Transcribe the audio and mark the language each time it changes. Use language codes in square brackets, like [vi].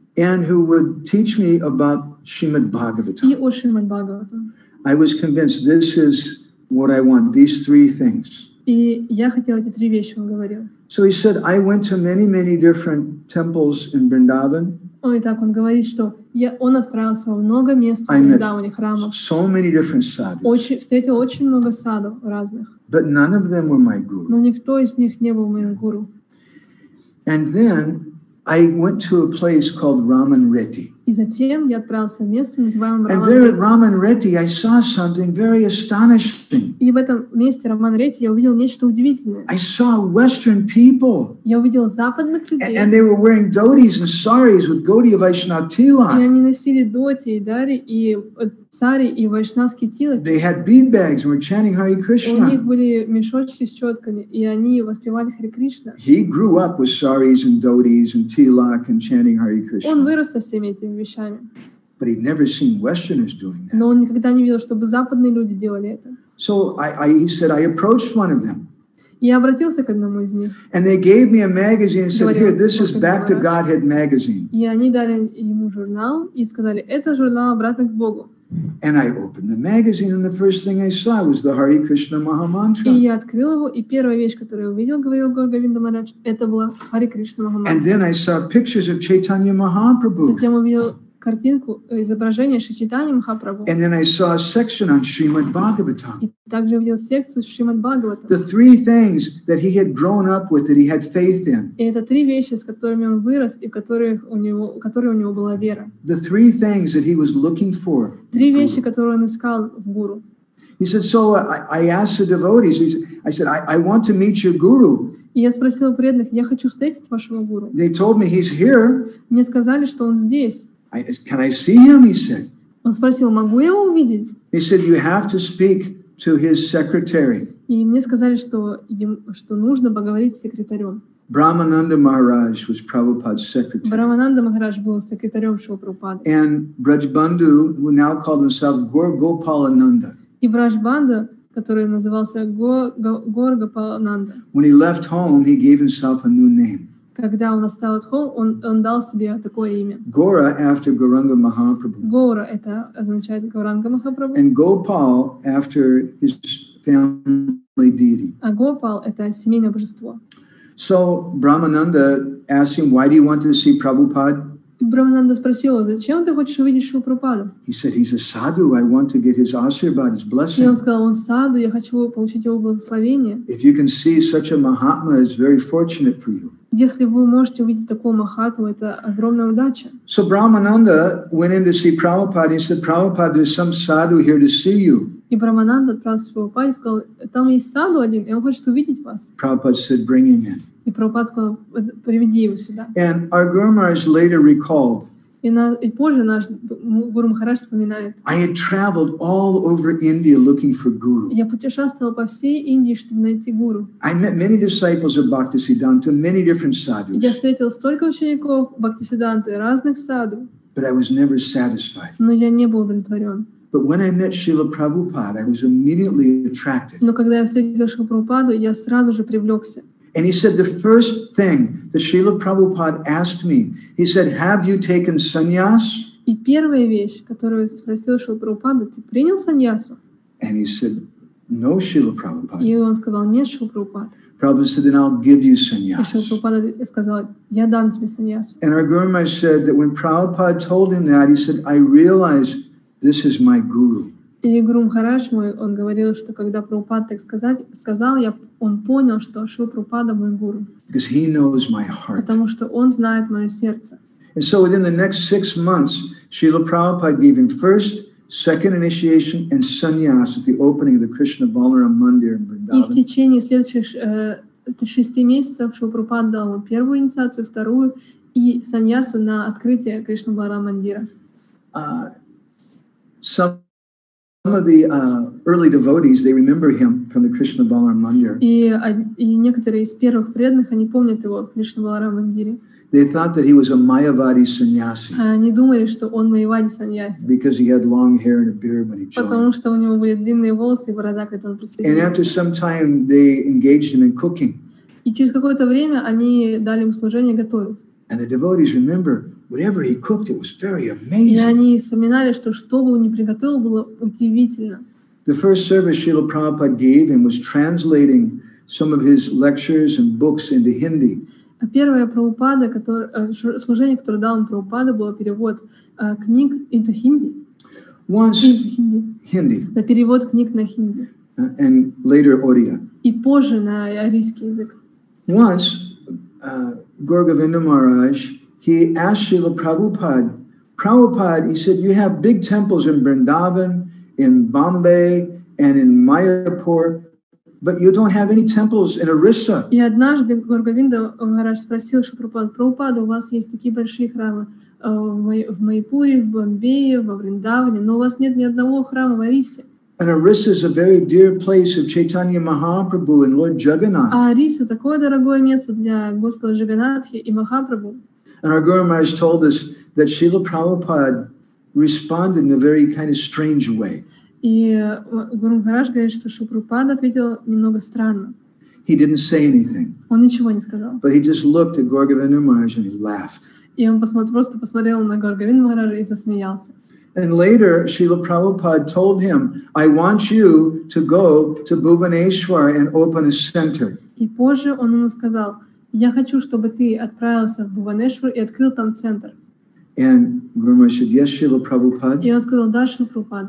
[en] And who would teach me about Srimad Bhagavatam. [ru] И о Srimad Bhagavatam. [en] I was convinced this is what I want, these three things. [ru] И я хотел эти три вещи, он говорил. [en] So he said, I went to many, many different temples in Vrindavan. [ru] Ой, так он говорит, что я, он отправился во много мест, да, у них храмов. [en] So many different sadhus. [ru] Очень, встретил очень много садов разных. [en] But none of them were my guru. [ru] Но никто из них не был моим гуру. [en] And then I went to a place called Ramanreti. [ru] И затем я отправился в место, называемое Раман-Ретти. [en] And there at Ramanreti I saw something very astonishing. [ru] И в этом месте Ramanreti я увидел нечто удивительное. [en] I saw Western people. [ru] Я увидел западных людей. [en] And they were wearing dhotis and saris with Gaudiya Vaishnava tilak. [ru] И они носили доти и дари и сари и вайшнавские тилаки. [en] They had bead bags and were chanting Hare Krishna. [ru] У них были мешочки с четками и они воспевали Хари Кришна. [en] He grew up with saris and dhotis and tilak and chanting Hare Krishna. [ru] Он вырос со всеми этими. [en] But he'd never seen Westerners doing that. [ru] Но он никогда не видел, чтобы западные люди делали это. [en] So I he said I approached one of them. [ru] Я обратился к одному из них. [en] And they gave me a magazine and said, here, this is Back to Godhead magazine. [ru] И они дали ему журнал и сказали, это журнал обратно к Богу. [en] And I opened the magazine and the first thing I saw was the Hare Krishna Mahamantra. [ru] И я открыл его, и первая вещь, которую я увидел, говорил Гаура Говинда Махарадж, это была Hare Krishna Mahamantra. [en] And then I saw pictures of Chaitanya Mahaprabhu. [ru] Затем увидел картинку, изображение Шри Чайтаньи Махапрабху. [en] And then I saw a section on Srimad Bhagavatam. [ru] И также увидел секцию Шримад Бхагаватам. [en] The three things that he had grown up with, that he had faith in. [ru] И это три вещи, с которыми он вырос, и которые у него была вера. [en] The three things that he was looking for. [ru] Три вещи, которые он искал в гуру. [en] He said, so I asked the devotees, I said, I want to meet your guru. [ru] И я спросил преданных, я хочу встретить вашего гуру. [en] They told me he's here. [ru] Мне сказали, что он здесь. [en] I asked, can I see him? He said. [ru] Он спросил, могу я его увидеть? [en] He said, you have to speak to his secretary. [ru] И мне сказали, что нужно поговорить с секретарем. [en] Brahmananda Maharaj was Prabhupada's secretary. [ru] Brahmananda Maharaj был секретарем Шрилы Прабхупады. [en] And Brajbandhu, who now called himself Gaura Gopalananda. [ru] И Брадж-банда, который назывался Гаура Гопалананда. [en] When he left home, he gave himself a new name. [ru] Когда он остался от home, он дал себе такое имя. [en] Gaura after Gauranga Mahaprabhu. [ru] Gaura это означает Гауранга Махапрабху. [en] And Gopal after his family deity. [ru] А Гопал это семейное божество. [en] So Brahmananda asked him, why do you want to see Prabhupada? [ru] Брахмананда спросил его, зачем ты хочешь увидеть Шрилу Прабхупаду? [en] He said, he's a sadhu. I want to get his ashirvad, his blessing. [ru] И он сказал, он саду, я хочу получить его благословение. [en] If you can see such a mahatma, it's very fortunate for you. [ru] Если вы можете увидеть такого махатму, это огромная удача. [en] So Brahmananda went in to see Prabhupada. He said, Prabhupada, there's some sadhu here to see you. [ru] И Брахмананда отправился к Прабхупаде и сказал, там есть саду один, и он хочет увидеть вас. [en] Prabhupada said, bring him in. [ru] И Прабхупада сказал, приведи его сюда. [en] And our Guru Maharaj later recalled. [ru] И позже наш Гуру Махарадж вспоминает. [en] I had traveled all over India looking for guru. [ru] Я путешествовал по всей Индии, чтобы найти гуру. [en] I met many disciples of Bhaktisiddhanta, many different sadhus. [ru] Я встретил столько учеников Бхактисиддханты разных садху. [en] But I was never satisfied. [ru] Но я не был удовлетворен. [en] But when I met Srila Prabhupada, I was immediately attracted. [ru] Но когда я встретил Шрилу Прабхупаду, я сразу же привлекся. [en] And he said, the first thing that Srila Prabhupada asked me, he said, have you taken sannyas? [ru] И первая вещь, которую спросил Шрила Прабхупада, ты принял саньясу? [en] And he said, no, Srila Prabhupada. [ru] И он сказал, нет, Шрила Прабхупада. [en] Prabhupada said, then I'll give you sannyas. [ru] И Шрила Прабхупада сказал, я дам тебе саньясу. [en] And our Guru Maharaj said that when Prabhupada told him that, he said, I realize this is my guru. [ru] И Гуру Махарадж мой, он говорил, что когда Прабхупада так сказал, он понял, что Шрила Прабхупада мой гуру. [en] Because he knows my heart. [ru] Потому что он знает мое сердце. [en] And so within the next six months, Srila Prabhupada gave him first, second initiation and sannyas at the opening of the Krishna Balaram Mandir in Vrindavan. [ru] И в течение следующих шести месяцев Шрила Прабхупада дал ему первую инициацию, вторую и саньясу на открытие Кришна Баларам Мандира. [en] Some of the early devotees, they remember him from the Krishna Balaram Mandir. [ru] И некоторые из первых преданных, они помнят его в Кришна Баларам Мандире. [en] They thought that he was a Mayavadi sannyasi. [ru] Они думали, что он Майявади саньяси. [en] Because he had long hair and a beard when he joined. [ru] Потому что у него были длинные волосы и борода, когда он присоединился. [en] And after some time, they engaged him in cooking. [ru] И через какое-то время они дали ему служение готовить. [en] And the devotees remember, whatever he cooked, it was very amazing. [ru] И они вспоминали, что бы он ни приготовил, было удивительно. [en] The first service Srila Prabhupada gave him was translating some of his lectures and books into Hindi. [ru] Первое Прабхупада, служение, которое дал он Прабхупаде, было перевод книг [en] into Hindi. Once Hindi. [ru] На перевод книг на Hindi. [en] And later Odia. [ru] И позже на арийский язык. [en] Once Gaurgavinda Maharaj, he asked Srila Prabhupada, Prabhupada, he said, you have big temples in Vrindavan, in Bombay, and in Mayapur, but you don't have any temples in Orissa. [ru] И однажды Гургавинда Махарадж спросил Прабхупада, у вас есть такие большие храмы в Майпуре, в Бомбее, во Вриндаване, но у вас нет ни одного храма в Орисе. [en] And Orissa is a very dear place of Chaitanya Mahaprabhu and Lord Jagannath. [ru] А Орисса такое дорогое место для Господа Джаганатхи и Махапрабху. [en] And our Guru Maharaj told us that Srila Prabhupada responded in a very kind of strange way. [ru] И Гуру Махарадж говорит, что Прабхупада ответил немного странно. [en] He didn't say anything. [ru] Он ничего не сказал. [en] But he just looked at Gaurgavinda Maharaj and he laughed. [ru] И он просто посмотрел на Гаургавинду Махараджа и засмеялся. [en] And later, Srila Prabhupada told him, I want you to go to Bhubaneswar and open a center. [ru] И позже он ему сказал, я хочу, чтобы ты отправился в Бхубанешвар и открыл там центр. [en] And Guru Maharaj said, yes, Srila Prabhupada. [ru] И он сказал, да, Шрила Прабхупада.